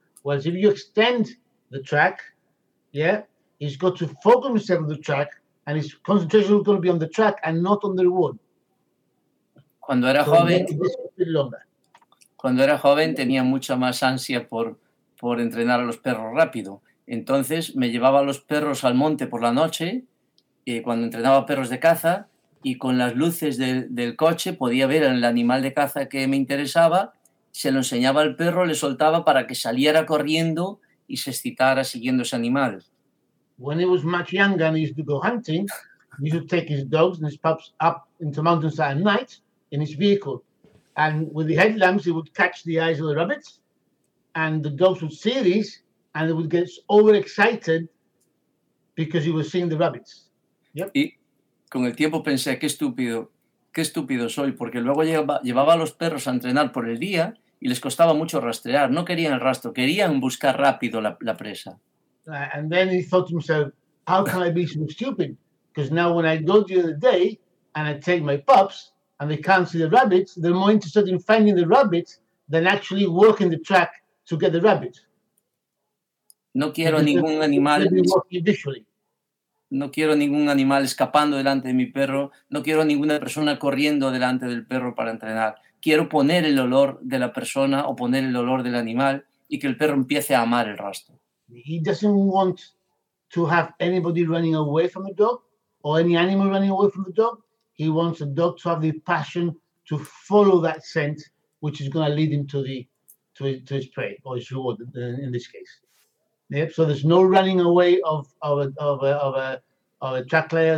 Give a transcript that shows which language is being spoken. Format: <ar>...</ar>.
<en>Whereas if you extend the track, yeah, he's got to focus himself on the track and his concentration is going to be on the track and not on the reward.</en> <es>Cuando era joven tenía mucha más ansia por entrenar a los perros rápido. Entonces me llevaba a los perros al monte por la noche cuando entrenaba perros de caza y con las luces del coche podía ver el animal de caza que me interesaba, se lo enseñaba al perro, le soltaba para que saliera corriendo y se excitara siguiendo ese animal.</es> <en>When he was much younger and he used to go hunting, he used to take his dogs and his pups up into mountains at night in his vehicle. And with the headlamps, he would catch the eyes of the rabbits and the dogs would see this and they would get overexcited because he was seeing the rabbits. Yep.</en> <es>Y con el tiempo pensé, qué estúpido soy, porque luego llevaba a los perros a entrenar por el día y les costaba mucho rastrear. No querían el rastro, querían buscar rápido la presa.</es> <en>And then he thought to himself, how can I be so stupid? Because now when I go during the day and I take my pups and they can't see the rabbits, they're more interested in finding the rabbits than actually working the track to get the rabbits.</en> <es>No quiero ningún animal. No quiero ningún animal escapando delante de mi perro. No quiero ninguna persona corriendo delante del perro para entrenar. Quiero poner el olor de la persona o poner el olor del animal y que el perro empiece a amar el rastro.</es> <en>He doesn't want to have anybody running away from the dog or any animal running away from the dog. He wants the dog to have the passion to follow that scent, which is going to lead him to his prey or his reward in this case. Yep. So there's no running away of a track layer.</en>